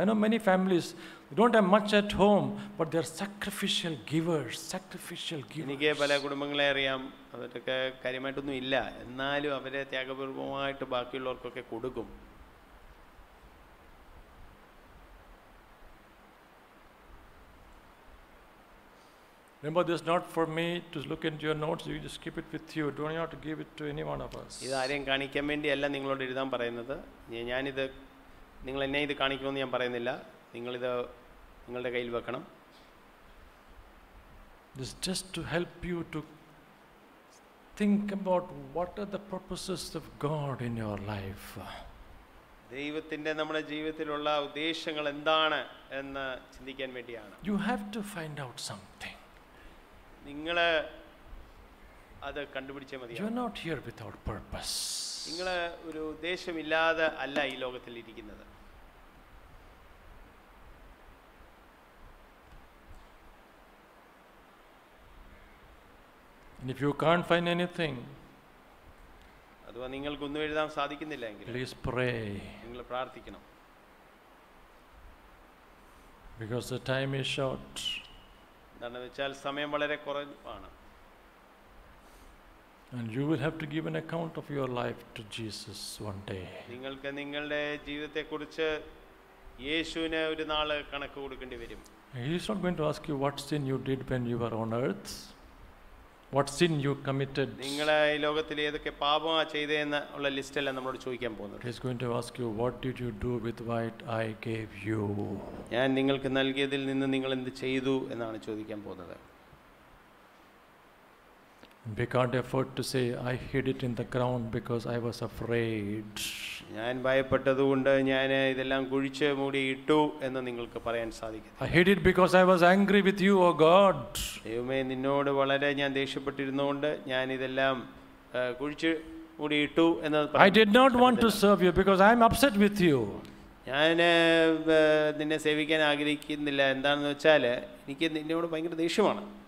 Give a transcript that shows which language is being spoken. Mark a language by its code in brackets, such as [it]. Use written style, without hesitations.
[en] I know many families don't have much at home, but they are sacrificial givers. Sacrificial givers. [ml] എനിക്ക് പല കുടുംബങ്ങളെ അറിയാം, അവരൊക്കെ കാര്യമായിട്ടൊന്നും ഇല്ല, എന്നാലും അവരെ ത്യാഗപൂർവമായിട്ട് ബാക്കിയുള്ളവർക്കൊക്കെ കൊടുക്കും. [en] Remember, this is not for me to look into your notes. You just keep it with you. Do not give it to any one of us. [ml] ഇതാ ഞാൻ കാണിക്കാൻ വേണ്ടി അല്ല നിങ്ങളോട് എഴുതാൻ പറയുന്നത്. ഞാൻ ഇത് നിങ്ങൾ എന്നെ ഇത് കാണിക്കുമെന്ന് ഞാൻ പറയുന്നില്ല. നിങ്ങളിത് നിങ്ങളുടെ കയ്യിൽ വെക്കണം. [en] This is just to help you to think about what are the purposes of God in your life. [ml] ദൈവത്തിന്റെ നമ്മുടെ ജീവിതത്തിലുള്ള ഉദ്ദേശങ്ങൾ എന്താണ് എന്ന് ചിന്തിക്കാൻ വേണ്ടിയാണ്. [en] You have to find out something. [ml] നിങ്ങൾ അത് കണ്ടുപിടിച്ചേ മതി. [en] You are not here without purpose. [ml] നിങ്ങൾ ഒരു ഉദ്ദേശമില്ലാതെ അല്ല ഈ ലോകത്തിൽ ഇരിക്കുന്നത്. [en] And if you can't find anything, [ml] അതുവാ നിങ്ങൾക്ക് ഒന്നും എഴുതാൻ സാധിക്കുന്നില്ലെങ്കിൽ, [en] please pray. [ml] നിങ്ങൾ പ്രാർത്ഥിക്കണം. [en] Because the time is short. [ml] എന്താണെന്ന് വെച്ചാൽ സമയം വളരെ കുറവാണ്. [en] And you will have to give an account of your life to Jesus one day. [ml] നിങ്ങൾക്ക് നിങ്ങളുടെ ജീവിതത്തെക്കുറിച്ച് യേശുവിനെ ഒരു നാൾ കണക്ക് കൊടുക്കേണ്ടി വരും. [en] He is not going to ask you what sin you did when you were on earth. What sin you committed? [ml] നിങ്ങളെ ഈ ലോകത്തിൽ ഏതൊക്കെ പാപമാ ചെയ്തെന്നുള്ള ലിസ്റ്റ് എല്ലാം നമ്മളോട് ചോദിക്കാൻ പോകുന്നുണ്ട്. [en] He is going to ask you, what did you do with what I gave you? [ml] ഞാൻ നിങ്ങൾക്ക് നൽകിയതിൽ നിന്ന് നിങ്ങൾ എന്ത് ചെയ്തു എന്നാണ് ചോദിക്കാൻ പോകുന്നത്. [en] We can't afford to say, I hid it in the ground because I was afraid. [ml] ഞാൻ ഭയപ്പെട്ടതുകൊണ്ട് ഞാൻ ഇതെല്ലാം കുഴിച്ചു മൂടി ഇട്ടു എന്ന് നിങ്ങൾക്ക് പറയാൻ സാധിക്കും. [en] I hid it because I was angry with you, O God. [ml] ദൈവമേ, നിന്നോട് വളരെ ഞാൻ ദേഷ്യപ്പെട്ടിരുന്നതുകൊണ്ട് ഞാൻ ഇതെല്ലാം കുഴിച്ചു മൂടി ഇട്ടു എന്ന് പറഞ്ഞു. [en] I did not want to serve you because I am upset with you. [ml] ഞാൻ നിന്നെ സേവിക്കാൻ ആഗ്രഹിക്കുന്നില്ല. എന്താണെന്ന് വെച്ചാൽ എനിക്ക് നിന്നോട് ഭയങ്കര ദേഷ്യമാണ്.